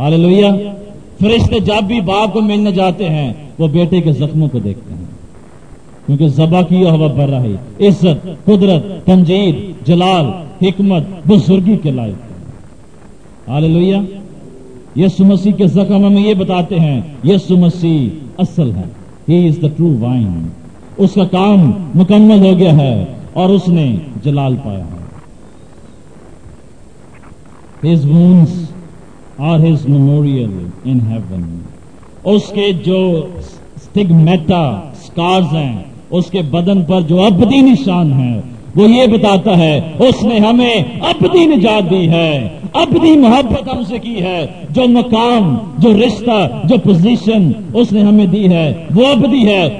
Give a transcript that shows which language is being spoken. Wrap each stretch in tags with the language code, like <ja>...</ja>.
<ur>ہللویہ, فرشتے جب بھی باپ کو ملنے جاتے ہیں وہ بیٹے کے زخموں کو دیکھتے ہیں, کیونکہ ذبح کی ہوا بھر رہی عزت قدرت تمجید جلال حکمت بزرگی کے لائق. ہللویہ, یسوع مسیح کے زخم ہمیں یہ بتاتے ہیں یسوع مسیح اصل ہے.</ur> <en>He is the true vine.</en> <ur>اس کا کام مکمل ہو گیا ہے اور اس نے جلال پایا ہے.</ur> <en>His wounds are his memorial in heaven.</en> <ur>اس کے جو stigmata scars ہیں, اس کے بدن پر جو ابدی نشان ہے, وہ یہ بتاتا ہے اس نے ہمیں ابدی نجات دی ہے, ابدی محبت ہم سے کی ہے. جو مقام, جو رشتہ, جو پوزیشن اس نے ہمیں دی ہے وہ ابدی ہے.</ur>